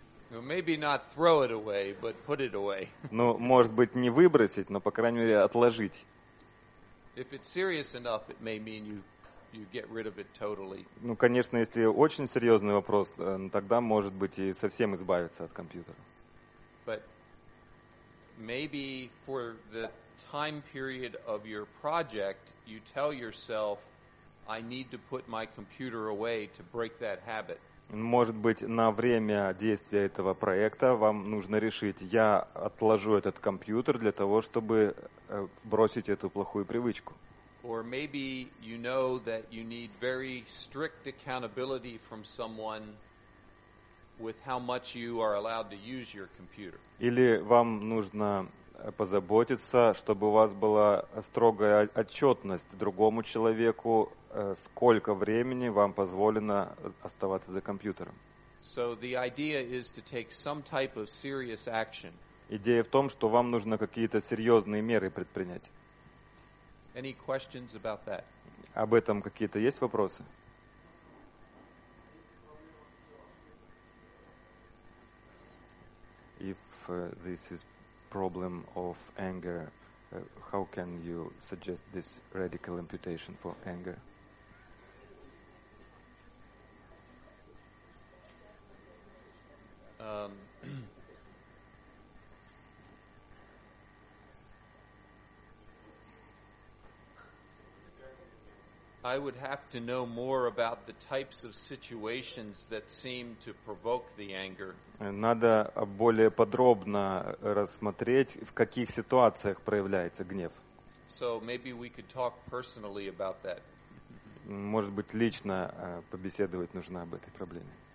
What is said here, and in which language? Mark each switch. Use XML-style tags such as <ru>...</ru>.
<en>Well, maybe not throw it away, but put it away.</en> <ru>Ну, может быть, не выбросить, но, по крайней мере, отложить.</ru> <en>If it's serious enough, it may mean you get rid of it totally.</en> <ru>Ну, конечно, если очень серьезный вопрос, тогда, может быть, и совсем избавиться от компьютера.</ru> <en>But maybe for the time period of your project, you tell yourself, I need to put my computer away to break that habit.</en> <ru>Может быть, на время действия этого проекта вам нужно решить, я отложу этот компьютер для того, чтобы бросить эту плохую привычку.</ru> <en>Or maybe you know that you need very strict accountability from someone with how much you are allowed to use your computer.</en> <ru>Или вам нужно позаботиться, чтобы у вас была строгая отчетность другому человеку, сколько времени вам позволено оставаться за компьютером.</ru> <en>So the idea is to take some type of serious action.</en> <ru>Идея в том, что вам нужно какие-то серьезные меры предпринять.</ru> <en>Any questions about that?</en> <ru>Об этом какие-то есть вопросы?</ru> <en>If this is problem of anger, how can you suggest this radical imputation for anger? I would have to know more about the types of situations that seem to provoke the anger.</en> <ru>Надо более подробно рассмотреть, в каких ситуациях проявляется гнев.</ru> <en>So maybe we could talk personally about that.</en> <ru>Может быть, лично побеседовать нужно об этой проблеме.</ru>